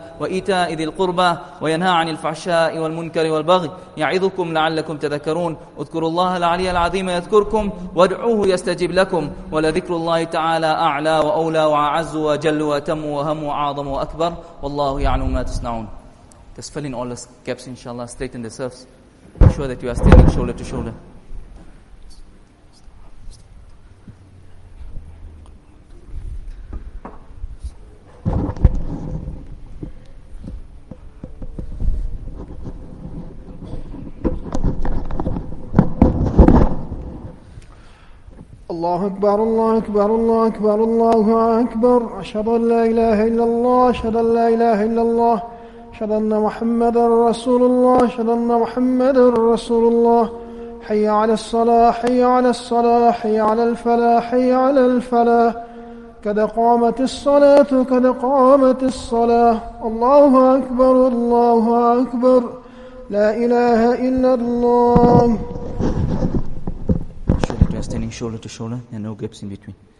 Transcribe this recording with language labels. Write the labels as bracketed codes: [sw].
[ar] وإيتاء ذي القربى وينهى عن الفحشاء والمنكر والبغي يعظكم لعلكم تذكرون اذكروا الله العلي العظيم يذكركم وادعوه يستجب لكم ولذكر الله تعالى أعلى وأولى وأعز وجل وتم وهم وعظم وأكبر والله يعلم ما تصنعون [en] Just fill in all the gaps inshallah, straighten the surfs. Make sure that you are standing shoulder to shoulder. [ar] الله أكبر الله أكبر الله أكبر الله أكبر أشهد أن لا إله إلا الله أشهد أن لا إله إلا الله أشهد أن محمد رسول الله أشهد أن محمد رسول الله حي على الصلاة حي على الصلاة حي على الفلاح حي على الفلاح قد قامت الصلاة قد قامت الصلاة الله أكبر الله أكبر لا إله إلا الله [en] Standing shoulder to shoulder, and no gaps in between.